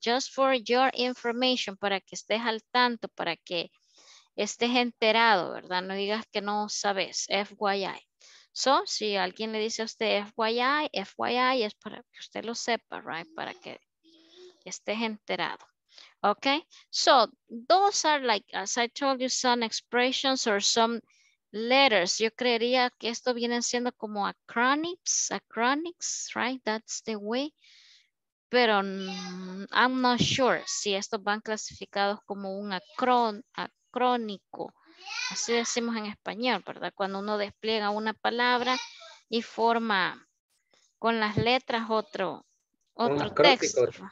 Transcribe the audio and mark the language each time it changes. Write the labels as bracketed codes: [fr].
[en] Just for your information, [es] para que estés al tanto, para que estés enterado, ¿verdad? No digas que no sabes, FYI. So, si alguien le dice a usted FYI, FYI es para que usted lo sepa, [en] ¿right? [es] Para que estés enterado. [en] Okay, so those are like, as I told you, some expressions or some letters. [es] Yo creería que esto vienen siendo como [en] acronyms, right? That's the way. [es] Pero [en] I'm not sure [es] si estos van clasificados como un acrónico. Así decimos en español, ¿verdad? Cuando uno despliega una palabra y forma con las letras otro texto.